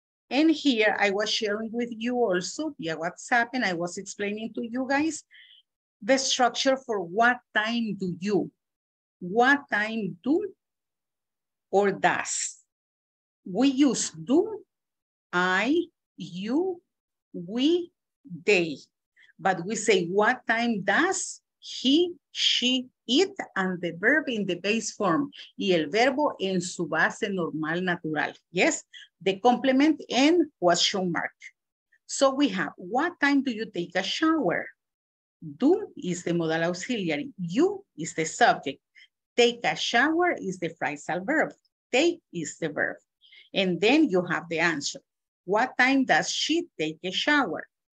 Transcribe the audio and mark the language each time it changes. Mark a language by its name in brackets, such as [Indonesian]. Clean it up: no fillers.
[English] And here I was sharing with you also via WhatsApp, and I was explaining to you guys the structure for what time do you, what time do or does. We use do, I, you, we, they. But we say, what time does he, she, it, and the verb in the base form. [Spanish] Y el verbo en su base normal, natural. [English] Yes? The complement and question mark. So we have, what time do you take a shower? Do is the modal auxiliary. You is the subject. Take a shower is the phrasal verb. Take is the verb. And then you have the answer. What time does she take a shower?